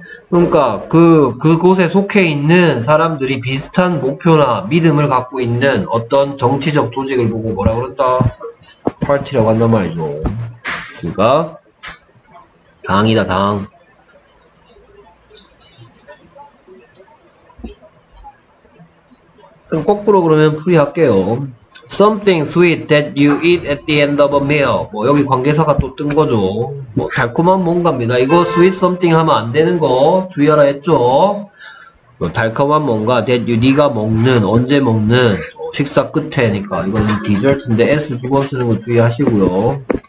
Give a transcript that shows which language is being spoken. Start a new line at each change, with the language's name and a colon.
Korean: 그러니까 그곳에 속해 있는 사람들이 비슷한 목표나 믿음을 갖고 있는 어떤 정치적 조직을 보고 뭐라 그런다? party라고 한단 말이죠. 그러니까 당이다, 당. 그럼 거꾸로 그러면 풀이할게요.
English: Something sweet that you eat at the end of a meal.
Korean: 뭐 여기 관계사가 또뜬 거죠. 뭐 달콤한 뭔가입니다. 이거 sweet something 하면 안 되는 거 주의하라 했죠. 뭐 달콤한 뭔가 that you 네가 먹는 언제 먹는 식사 끝에니까 이거는 디저트인데 S 두번 쓰는 거 주의하시고요.